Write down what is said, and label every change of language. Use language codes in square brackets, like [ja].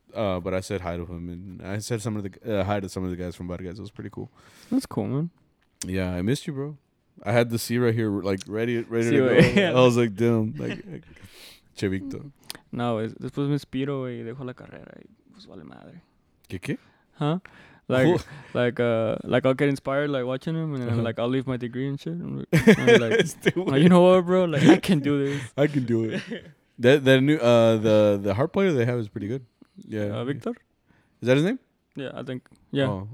[en] But I said hi to him, and I said hi to some of the guys from Vargas. It was pretty cool. That's cool, man. Yeah, I missed you, bro. I had the C right here, like ready C-way, to go. Yeah. I was like, damn, like Chevito. [es] No, después me inspiro y dejo la carrera y pues vale madre. ¿Qué? Huh? [en] Like I'll get inspired like watching him and then like I'll leave my degree and shit. And like, you know what, bro? Like I can do this. I can do it. That new the harp player they have is pretty good. Yeah. Victor? Is that his name? Yeah, I think. Yeah.